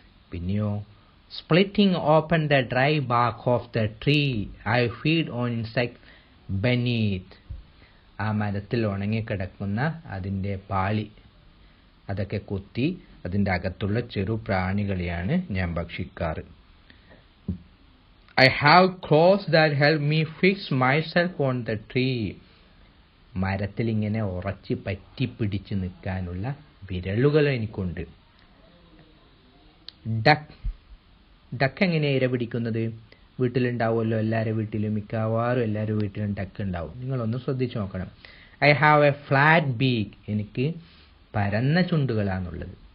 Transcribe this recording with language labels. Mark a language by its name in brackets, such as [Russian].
[Malayalam] പിന്നെയോ, [English] Splitting open the dry bark of the tree I feed on insect beneath. [Malayalam] ആ മരത്തിൽ ഉണങ്ങിക്കിടക്കുന്ന അതിൻ്റെ പാളി അതൊക്കെ കൊത്തി അതിൻ്റെ അകത്തുള്ള ചെറു പ്രാണികളെയാണ് ഞാൻ ഭക്ഷിക്കാറ്. [English] I have claws that help me fix myself on the tree. [Malayalam] മരത്തിൽ ഇങ്ങനെ ഉറച്ച് പറ്റി പിടിച്ച് നിൽക്കാനുള്ള വിരലുകൾ എനിക്കുണ്ട്. ഡക്ക്, ഡക്ക് എങ്ങനെയാണ് ഇര പിടിക്കുന്നത്? വീട്ടിലുണ്ടാവുമല്ലോ എല്ലാവരുടെ വീട്ടിലും, മിക്കവാറും എല്ലാവരും വീട്ടിലും ഡക്ക് ഉണ്ടാവും. നിങ്ങളൊന്ന് ശ്രദ്ധിച്ച് നോക്കണം. [English] I have a flat beak, [Malayalam] എനിക്ക് പരന്ന ചുണ്ടുകളാണുള്ളത്.